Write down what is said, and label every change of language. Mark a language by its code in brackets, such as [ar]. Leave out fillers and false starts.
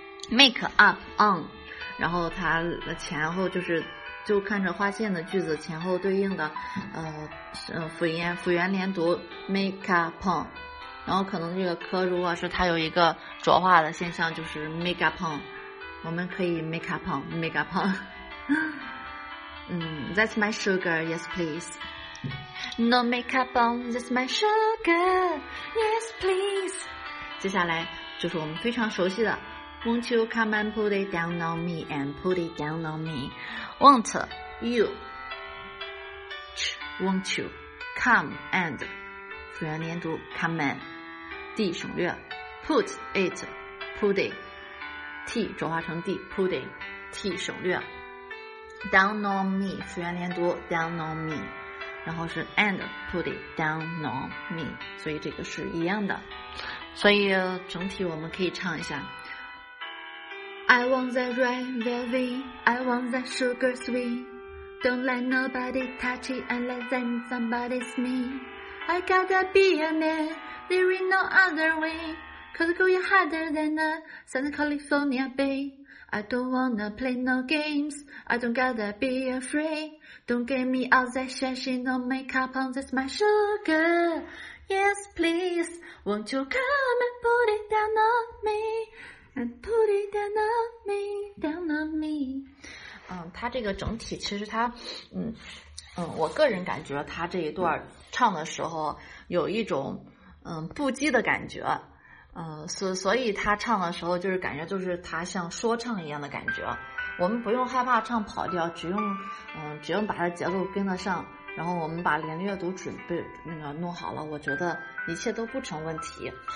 [zh] Make up on, 然后他前后就看着花线的句子前后对应的复元连读 [en] make up on, [zh] 然后可能这个科如果是它有一个浊化的现象，就是 make up on, 我们可以 make up on, make up on. [en] That's my sugar, yes please. No make up on, that's my sugar, yes please. [zh] 接下来就是我们非常熟悉的 [en] Won't you come and put it down on me and put it down on me? Won't you? Won't you come and? [zh] 辅元连读 [en] come and. D [zh] 省略 [en] put it, put it. [zh] T 转化成 D, [en] put it. T [zh] 省略 [en] down on me, [zh] 辅元连读 [en] down on me. [zh] 然后是 [en] and put it down on me， [zh] 所以这个是一样的。所以整体我们可以唱一下 [en] I want that red velvet, I want that sugar sweet, Don't let nobody touch it unless I'm somebody's me, I gotta be a man, there is no other way, Cause girl you're harder than a Santa California Bay, I don't wanna play no games, I don't gotta be afraidDon't get me all that shashy, no makeup on, that's my sugar. Yes, please. Won't you come and put it down on me? And put it down on me, down on me. [zh] 他这个整体其实他，我个人感觉他这一段唱的时候有一种不羁的感觉。所以他唱的时候就是感觉就是他像说唱一样的感觉。我们不用害怕唱跑调，只用把它节奏跟得上，然后我们把连阅读准备弄好了，我觉得一切都不成问题。